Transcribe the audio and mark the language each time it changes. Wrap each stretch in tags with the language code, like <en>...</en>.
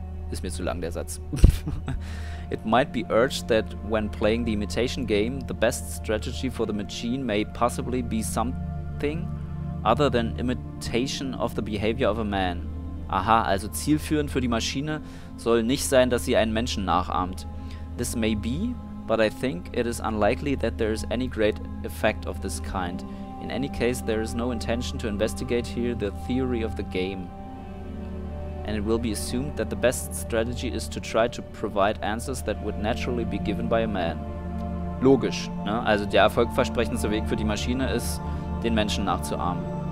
<de>Ist mir zu lang, der Satz.</de> <en>It might be urged that when playing the imitation game, the best strategy for the machine may possibly be something other than imitation of the behavior of a man.</en> <de>Aha, also zielführend für die Maschine soll nicht sein, dass sie einen Menschen nachahmt.</de> <en>This may be, but I think it is unlikely that there is any great effect of this kind. In any case, there is no intention to investigate here the theory of the game. And it will be assumed that the best strategy is to try to provide answers that would naturally be given by a man.</en> <de>Logisch, ne? Also der erfolgversprechendste Weg für die Maschine ist, den Menschen nachzuahmen.</de>